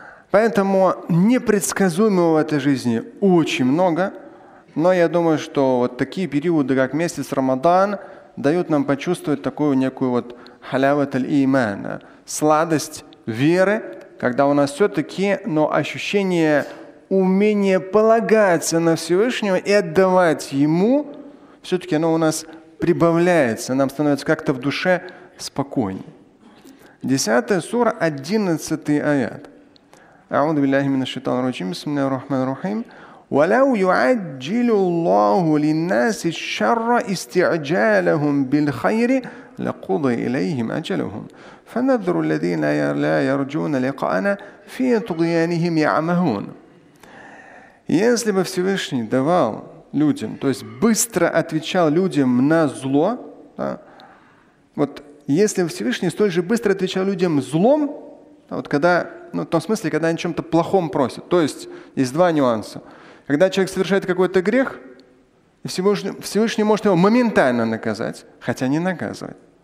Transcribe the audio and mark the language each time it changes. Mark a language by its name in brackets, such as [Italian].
[Russian] Поэтому непредсказуемого в этой жизни очень много, но я думаю, что вот такие периоды, как месяц Рамадан, дают нам почувствовать такую некую вот халяват-аль-иман, сладость веры, когда у нас все-таки, но ощущение умение полагаться на Всевышнего и отдавать Ему, все-таки оно у нас прибавляется, нам становится как-то в душе спокойнее. 10 сура, 11 аят. [Arabic] أعوذ بالله من الشيطان الرجيم بسم الله الرحمن الرحيم ولو يعجل الله للناس الشر استعجالهم بالخير لقضى إليهم أجلهم فنذر الذين لا يرجون لقاءنا في طغيانهم يعمهون. [Russian] Если бы Всевышний давал людям, то есть быстро отвечал людям на зло, да, вот если Всевышний столь же быстро отвечал людям злом, вот когда, ну, в том смысле, когда они о чем-то плохом просят. То есть есть два нюанса. Когда человек совершает какой-то грех, Всевышний может его моментально наказать, хотя не наказывать.